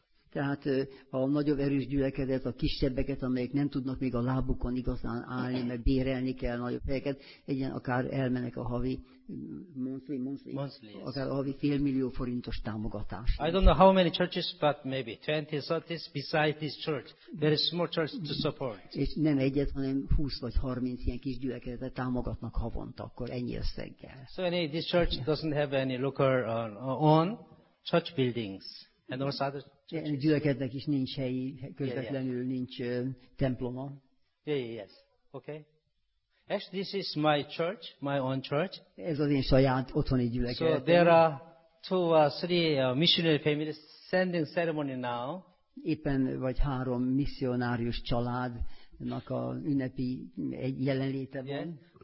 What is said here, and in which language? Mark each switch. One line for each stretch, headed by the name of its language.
Hungarian: Tehát a nagyobb erős gyülekezet, a kisebbeket, amelyek nem tudnak még a lábukon igazán állni, mert bérelni kell nagyobb helyeket, egyen akár elmenek a havi
English: monthly,
Hungarian: akár a havi 1,5 millió forintos támogatást.
English: I don't know how many churches, but maybe 20, 30 beside this church. There is small church to support.
Hungarian: És nem egyet, hanem 20 vagy 30 ilyen kis gyülekezetet támogatnak havonta, akkor ennyi összeggel.
English: So anyway, this church doesn't have any local own church buildings. And also other churches.
Hungarian: Gyülekeznek is nincs helyi, közvetlenül nincs temploma.
English: Yes. Okay. Actually, this is my church, my own church.
Hungarian: Ez az én saját otthoni gyülekezetem.
English: So there are two or three missionary families sending ceremony now.
Hungarian: Éppen vagy három missionárius családnak a ünnepi jelenléte van.